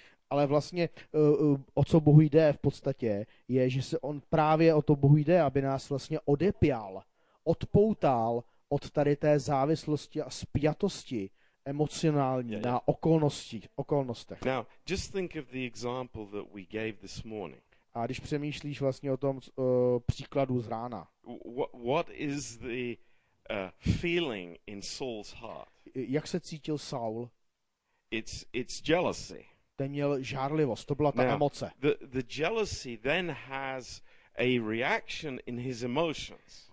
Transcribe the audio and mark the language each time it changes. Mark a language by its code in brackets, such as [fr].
[cs] Ale vlastně o co Bohu jde v podstatě, je, že se on právě o to Bohu jde, aby nás vlastně odepjal, odpoutal od tady té závislosti a spjatosti emocionální na okolnostech. [en] Now, just think of the example that we gave this morning. [cs] A když přemýšlíš vlastně o tom příkladu z rána. [en] What is the feeling in Saul's heart? [cs] Jak se cítil Saul? [en] It's jealousy. [cs] Ten měl žárlivost, to byla ta [en] Now, [cs] emoce. [en] The jealousy then has a reaction in his emotions.